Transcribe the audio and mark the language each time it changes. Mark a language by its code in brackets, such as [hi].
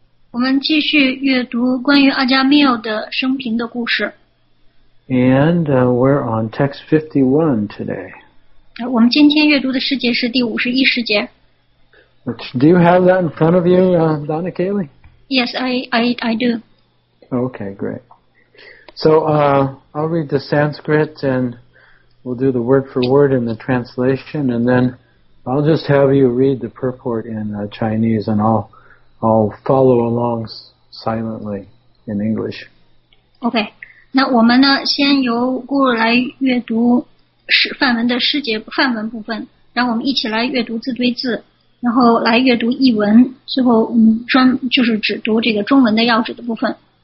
[zh] 我们继续阅读关于阿加缪的生平的故事。 [en] And we're on text 51 today. [zh] 我们今天阅读的世界是第51世界。 [en] Do you have that in front of you, Donna Kaylee? Yes, I do. Okay, great. So I'll read the Sanskrit and we'll do the word for word in the translation and then I'll just have you read the purport in Chinese and I'll follow along silently in English. Okay. [zh] 那我们呢先由顾来阅读梵文的诗节梵文部分然后我们一起来阅读字对字然后来阅读译文最后就是只读这个中文的要旨的部分。